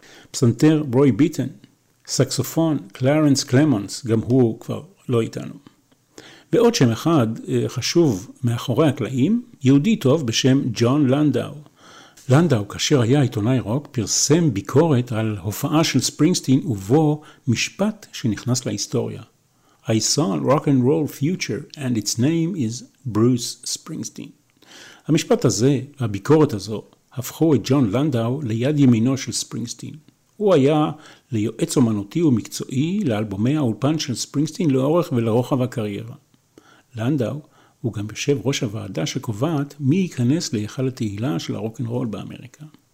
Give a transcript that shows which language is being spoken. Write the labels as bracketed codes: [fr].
[he] פסנתר, רוי ביטן. סקסופון, קלרנס קלמונס, גם הוא כבר לא איתנו. ועוד שם אחד חשוב מאחורי הקלעים, יהודי טוב בשם ג'ון לנדאו. לנדאו, כאשר היה עיתונאי רוק, פרסם ביקורת על הופעה של ספרינגסטין ובו משפט שנכנס להיסטוריה. [en] I saw a rock and roll future and its name is Bruce Springsteen. [he] המשפט הזה, הביקורת הזו, הפכו את ג'ון לנדאו ליד ימינו של ספרינגסטין. הוא היה ליועץ אומנותי ומקצועי לאלבומי האולפן של ספרינגסטין לאורך ולרוחב הקריירה. לנדאו הוא גם יושב ראש הוועדה שקובעת מי ייכנס להיכל התהילה של הרוק אנד רול באמריקה.